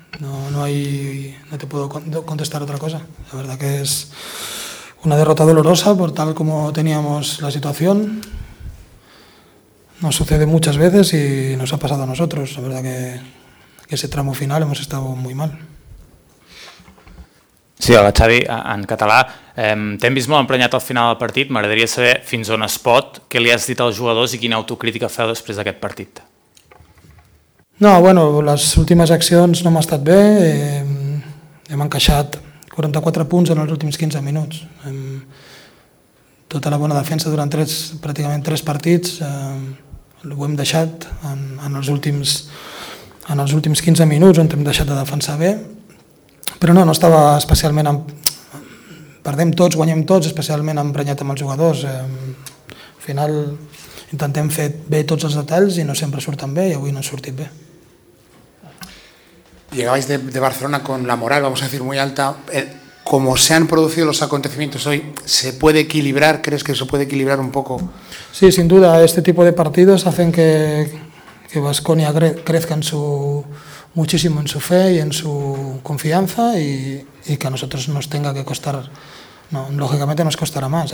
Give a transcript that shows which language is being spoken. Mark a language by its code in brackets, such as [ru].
[es] No te puedo contestar otra cosa. La verdad que es una derrota dolorosa por tal como teníamos la situación. Nos sucede muchas veces y nos ha pasado a nosotros. La verdad que ese tramo final hemos estado muy mal. [ca] Sí, hola, Xavi, en català. T'hem vist molt emprenyat al final del partit. M'agradaria saber fins on es pot, què li has dit als jugadors i quina autocrítica feu després d'aquest partit. No, bueno, les últimes accions no m'han estat bé. Hem encaixat 44 punts en els últims 15 minuts. Tota la bona defensa durant pràcticament tres partits ho hem deixat en els últims 15 minuts, on hem deixat de defensar bé. Però no estava especialment... Perdem tots, guanyem tots, especialment emprenyat amb els jugadors. Al final intentem fer bé tots els detalls i no sempre surten bé, i avui no han sortit bé. [es] Llegabais de Barcelona con la moral, vamos a decir, muy alta. Como se han producido los acontecimientos hoy, ¿se puede equilibrar? ¿Crees que se puede equilibrar un poco? Sí, sin duda. Este tipo de partidos hacen que Baskonia crezca muchísimo en su fe y en su confianza y que a nosotros nos tenga que costar, no, lógicamente nos costará más.